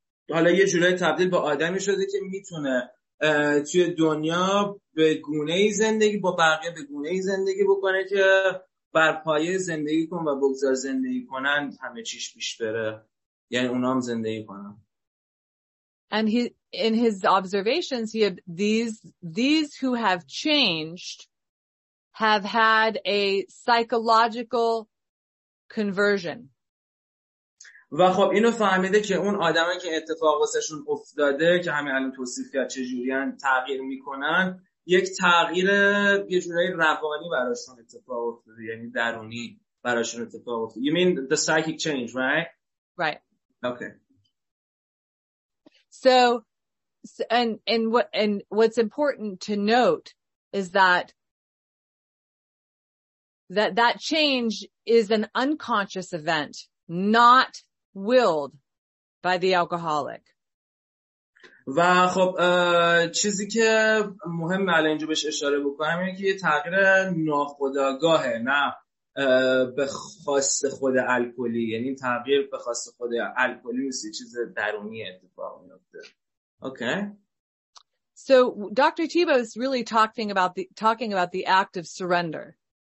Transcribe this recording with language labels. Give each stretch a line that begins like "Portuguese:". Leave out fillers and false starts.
Persian: حالا یه جورای تبدیل به آدمی شده که میتونه توی دنیا به گونه ای زندگی با بقیه به گونه ای زندگی بکنه که بر پایه زندگی کن و بگذار زندگی کنن همه چیش پیش بره، یعنی اونا هم زندگی کنن.
English: And in his observations he these who have changed have had a psychological conversion.
Persian: و خب اینو فهمیده که اون آدمایی که اتفاق واسشون افتاده که همین الان توصیف کرد چجوریان تغییر میکنن، یک تغییر یه جورای روانی براشون اتفاق افتاده، یعنی درونی براشون اتفاق افتاده.
English: You mean the psychic change, right? Okay. So and what's important to note is that change is an unconscious event not willed by the alcoholic.
Persian: و خب چیزی که مهمه الان اینجا بهش اشاره بکنم اینه که یه تغییر ناخودآگاهه، نه به خواست خود الکلی، یعنی تغییر به خواست خود الکلی نیست، یه چیز درونی اتفاق میفته.
English: Okay. So Dr. Thibault is really talking about the act of surrender.